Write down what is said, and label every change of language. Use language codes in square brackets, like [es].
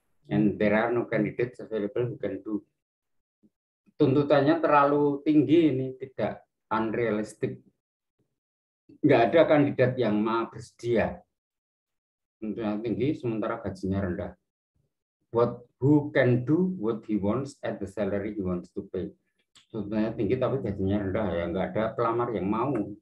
[en] And there are no candidates available who can do. [id] Tuntutannya terlalu tinggi ini, tidak unrealistic. Enggak ada kandidat yang mau bersedia. Tuntutannya tinggi, sementara gajinya rendah. [en] What who can do what he wants at the salary he wants to pay. [id] Tuntutannya tinggi, tapi gajinya rendah. Ya, enggak ada pelamar yang mau.